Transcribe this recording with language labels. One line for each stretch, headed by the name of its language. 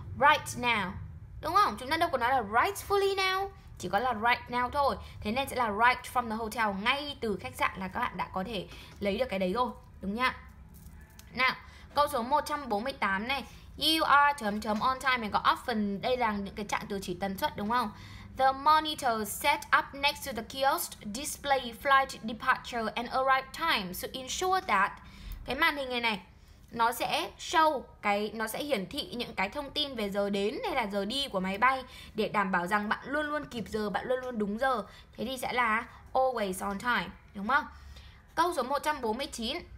Vietnamese: Right now, đúng không? Chúng ta đâu có nói là rightfully now, chỉ có là right now thôi. Thế nên sẽ là
English: right from the hotel,
Vietnamese: ngay từ khách sạn là các bạn đã có thể lấy được cái đấy rồi, đúng nhá. Nào, câu số 148 này,
English: you are
Vietnamese: chấm chấm
English: on time,
Vietnamese: mình có often, đây là những cái trạng từ chỉ tần suất đúng không?
English: The monitor set up next to the kiosk display flight departure and arrive time to ensure that.
Vietnamese: Cái màn hình này nó sẽ show cái, nó sẽ hiển thị những cái thông tin về giờ đến hay là giờ đi của máy bay để đảm bảo rằng bạn luôn luôn kịp giờ, bạn luôn luôn đúng giờ. Thế thì sẽ là
English: always on time,
Vietnamese: đúng không? Câu số 149.